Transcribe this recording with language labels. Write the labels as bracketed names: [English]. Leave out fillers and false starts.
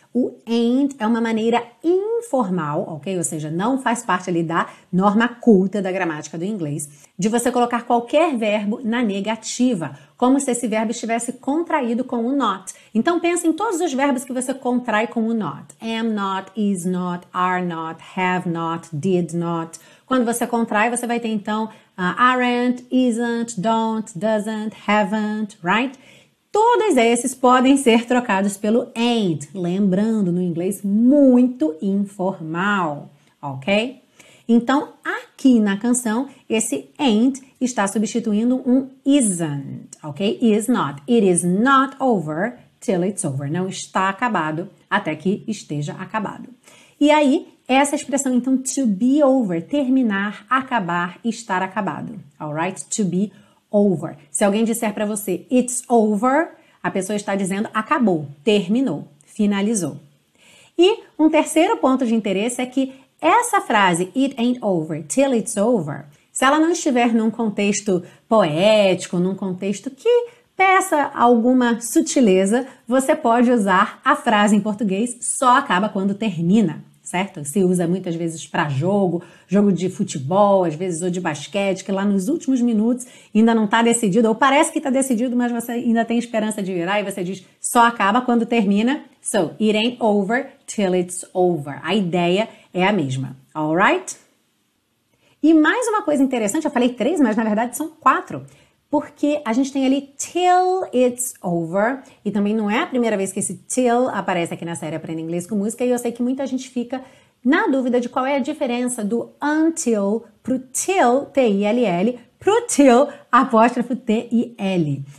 [Portuguese] O ain't é uma maneira informal, ok? Ou seja, não faz parte ali da norma culta da gramática do inglês, de você colocar qualquer verbo na negativa, como se esse verbo estivesse contraído com o not. Então pensa em todos os verbos que você contrai com o not. [English] Am not, is not, are not, have not, did not. [Portuguese] Quando você contrai, você vai ter então aren't, isn't, don't, doesn't, haven't, right? Todos esses podem ser trocados pelo ain't, lembrando, no inglês, muito informal, ok? Então, aqui na canção, esse ain't está substituindo um isn't, ok? [English] Is not. It is not over till it's over. [Portuguese] Não está acabado até que esteja acabado. E aí, essa expressão, então, to be over, terminar, acabar, estar acabado, alright? [English] To be over. [Portuguese] Se alguém disser para você, [English] it's over, [Portuguese] a pessoa está dizendo acabou, terminou, finalizou. E um terceiro ponto de interesse é que essa frase, [English] it ain't over till it's over, [Portuguese] se ela não estiver num contexto poético, num contexto que peça alguma sutileza, você pode usar a frase em português só acaba quando termina, certo? Se usa muitas vezes para jogo de futebol, às vezes, ou de basquete, que lá nos últimos minutos ainda não está decidido, ou parece que está decidido, mas você ainda tem esperança de virar, e você diz, só acaba quando termina. [English] So, it ain't over till it's over. [Portuguese] A ideia é a mesma, alright? E mais uma coisa interessante, eu falei três, mas na verdade são quatro. Porque a gente tem ali till it's over, e também não é a primeira vez que esse till aparece aqui na série Aprenda Inglês com Música, e eu sei que muita gente fica na dúvida de qual é a diferença do until pro till, T-I-L-L, pro till, apóstrofo T-I-L.